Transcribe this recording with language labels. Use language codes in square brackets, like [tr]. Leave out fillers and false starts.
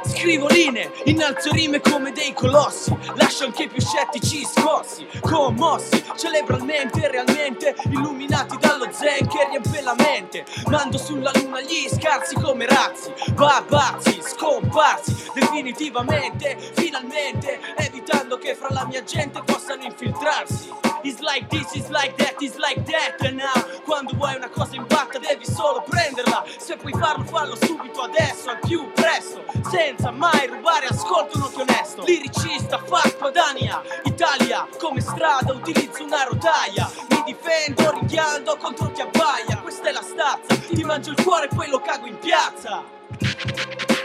[it] Scrivo linee, innalzo rime come dei colossi. Lascio anche i più scettici scossi, commossi. Celebralmente, realmente, illuminati dallo zen che riempie la mente. Mando sulla luna gli scarsi come razzi, babazzi, scomparsi definitivamente, finalmente, evitando che fra la mia gente possano infiltrarsi. [en] It's like this, it's like that, it's like that. And now, [it] quando vuoi una cosa in batta devi solo prenderla. Se puoi farlo, fallo subito, adesso, al più presto, senza mai rubare ascolto, non ti onesto. Liricista, fatto Dania, Italia, come strada utilizzo una rotaia. Mi difendo ringhiando contro chi abbaia. Questa è la stazza, ti mangio il cuore e poi lo cago in piazza.